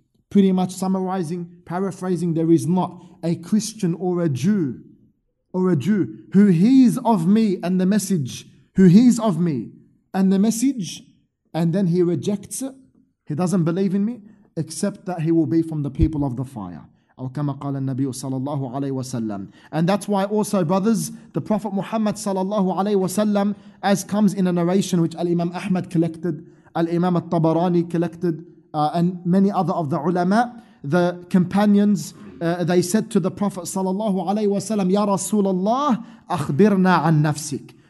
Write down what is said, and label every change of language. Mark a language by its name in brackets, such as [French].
[English] Pretty much summarizing, paraphrasing, there is not a Christian or a Jew who hears of me and the message, and then he rejects it, he doesn't believe in me, except that he will be from the people of the fire. [Arabic] أو كما قال النبي صلى الله عليه وسلم. [English] And that's why also, brothers, the Prophet Muhammad صلى الله عليه وسلم, as comes in a narration which Al-Imam Ahmad collected, Al-Imam Al-Tabarani collected, and many other of the ulama, the companions, they said to the Prophet sallallahu alaihi wasallam, [Arabic] "Ya Rasulullah, akhbirna an nafsik."